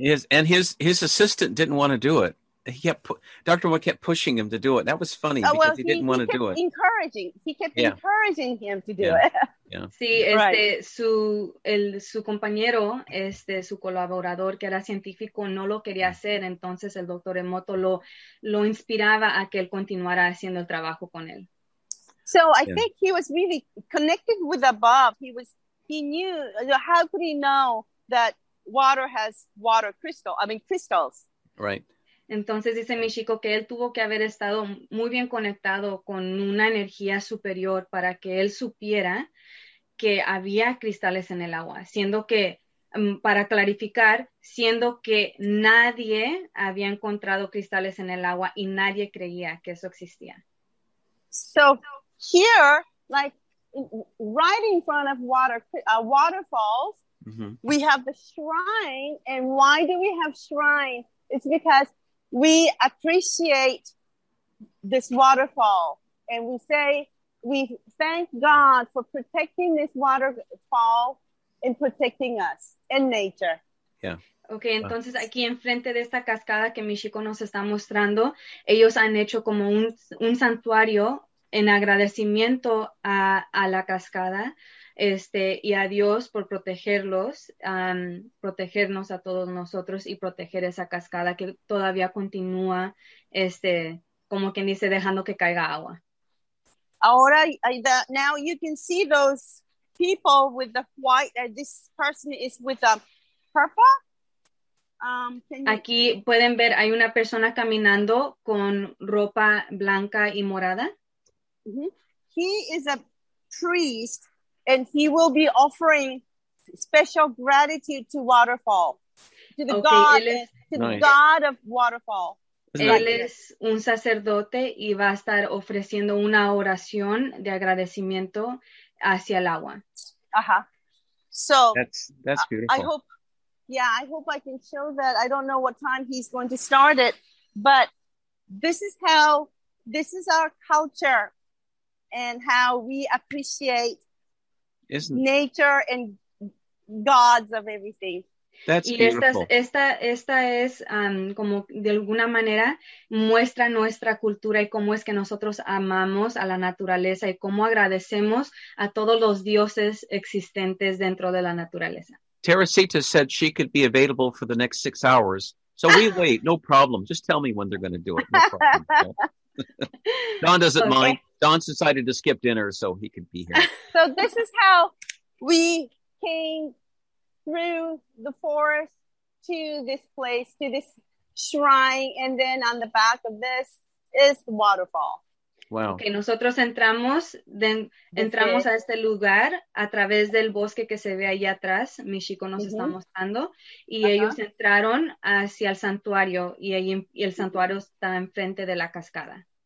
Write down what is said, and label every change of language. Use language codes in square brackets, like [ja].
[en] And his assistant didn't want to do it. Dr. Mo kept pushing him to do it. That was funny because he didn't want to do it. He kept encouraging him to do it. Yeah. [es] Sí, su compañero, su colaborador que era científico, no lo quería hacer. Entonces el Dr. Emoto lo inspiraba a que él continuara haciendo el trabajo con él. [en] So I think he was really connected with above. He knew, how could he know that water has water crystals? Right. [es] Entonces dice mi chico que él tuvo que haber estado muy bien conectado con una energía superior para que él supiera que había cristales en el agua, siendo que, para clarificar, siendo que nadie había encontrado cristales en el agua y nadie creía que eso existía. [en] So here, like right in front of waterfalls, we have the shrine. And why do we have shrine? It's because we appreciate this waterfall, and we say we thank God for protecting this waterfall and protecting us and nature. Yeah. [es] Okay, entonces aquí enfrente de esta cascada que mi chico nos está mostrando, ellos han hecho como un santuario en agradecimiento a la cascada, y a Dios por protegerlos, protegernos a todos nosotros y proteger esa cascada que todavía continúa, como quien dice, dejando que caiga agua. [en] Ahora, now you can see those people with the white, this person is with the purple. [es] Aquí pueden ver, hay una persona caminando con ropa blanca y morada. [en] He is a priest. And he will be offering special gratitude to waterfall, to the God of waterfall. [es] Él es un sacerdote y va a estar ofreciendo una oración de agradecimiento hacia el agua. [en] So that's beautiful. I hope I can show that. I don't know what time he's going to start it, but this is our culture and how we appreciate nature and gods of everything. That's beautiful. [es] Y esta es como de alguna manera muestra nuestra cultura y cómo es que nosotros amamos a la naturaleza y cómo agradecemos a todos los dioses existentes dentro de la naturaleza. [en] Teresita said she could be available for the next 6 hours. So we wait, no problem. Just tell me when they're going to do it. No problem. Don doesn't mind. Don's decided to skip dinner so he could be here. So this is how we came through the forest to this place, to this shrine. And then on the back of this is the waterfall. Wow. [es] Okay, nosotros entramos a este lugar a través del bosque que se ve ahí atrás. Mi chico nos está mostrando. Y ellos entraron hacia el santuario. Y ahí y el santuario está enfrente de la cascada.